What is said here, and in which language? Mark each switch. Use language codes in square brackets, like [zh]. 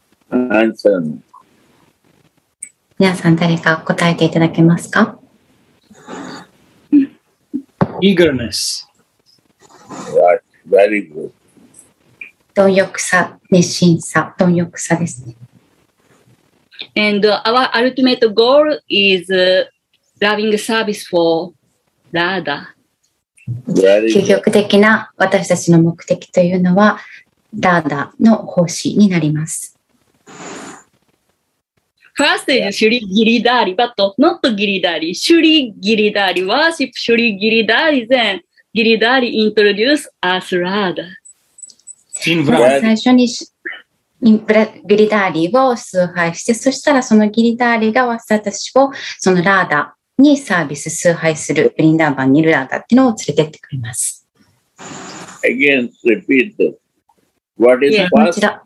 [ja] 皆さん誰か答えていただけますか [en] ?Eagerness. Very good. [ja] 貪欲さ、熱心さ、貪欲さですね。 [en] And our ultimate goal is loving service for Radha. [ja] 究極的な私たちの目的というのはダーダの奉仕になります。 [en] First is Shri Giridhari, but not Giridhari. Shri Giridhari worship Shri Giridhari, then Giridhari introduce as Radha. [ja] 最初にギリダーリを崇拝して、そしたらそのギリダーリが私たちをそのラーダ。にサービス崇拝するブリンダーバンニルラーダっていうのを連れてってくれます。 [en] again repeat this. What is past?